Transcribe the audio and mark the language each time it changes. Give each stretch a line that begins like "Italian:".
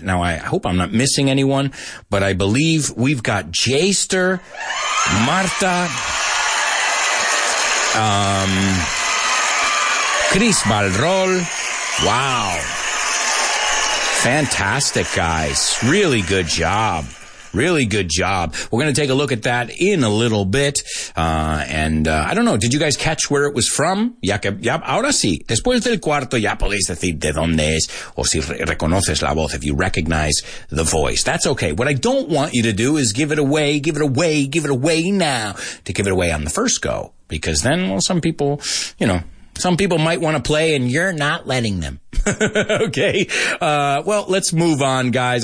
English: Now, I hope I'm not missing anyone, but I believe we've got Jester, Marta, Chris Balrol. Wow. Fantastic, guys. Really good job. Really good job. We're going to take a look at that in a little bit. I don't know. Did you guys catch where it was from?
Spanish: Ya que, ya, ahora sí. Después del cuarto, ya podéis decir de dónde es. O si reconoces la voz,
English: if you recognize the voice.
Spanish: That's okay.
English: What I don't want you to do is give it away now to give it away on the first go. Because then, well, some people might want to play and you're not letting them. Okay. Well, let's move on, guys.